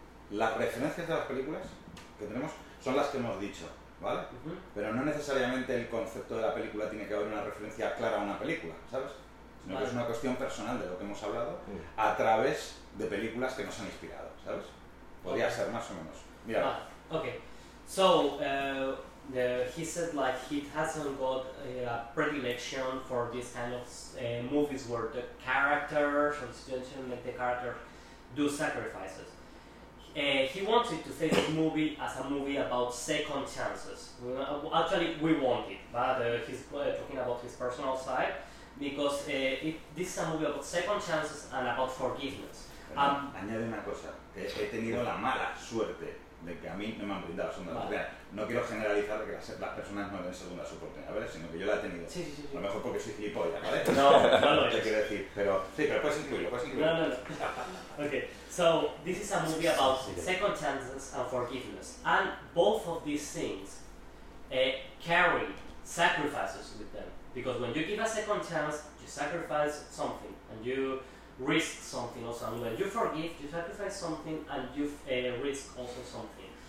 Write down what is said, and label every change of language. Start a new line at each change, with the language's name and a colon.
Spanish: Las referencias de las películas que tenemos son las que hemos dicho, ¿vale? Pero no necesariamente el concepto de la película tiene que haber una referencia clara a una película, ¿sabes? Sino vale. Que es una cuestión personal de lo que hemos hablado a través de películas que nos han inspirado, ¿sabes? Podría
English: okay.
Spanish: Ser más o menos. Mira.
English: Ah, okay. So, he said like he hasn't got a predilection for this kind of movies where the characters or situation like the characters do sacrifices. He wanted to say this movie as a movie about second chances. Actually, we want it, but he's talking about his personal side because this is a movie about second chances and about forgiveness.
Spanish: Añade una cosa, que he tenido la mala suerte de que a mí no me han brindado segunda oportunidad. No quiero generalizar que las personas no den segunda oportunidad, ¿vale? Sino que yo la he tenido. Sí, sí, sí. A lo mejor porque soy gilipollas, ¿vale? No, no te quiero decir, pero sí, pero puedes incluirlo, puedes incluirlo. No, no, no. Okay.
English: So, this is a movie about second chances and forgiveness. And both of these things carry sacrifices with them. Because when you give a second chance, you sacrifice something. And you risk something also. And when you forgive, you sacrifice something and you risk also something.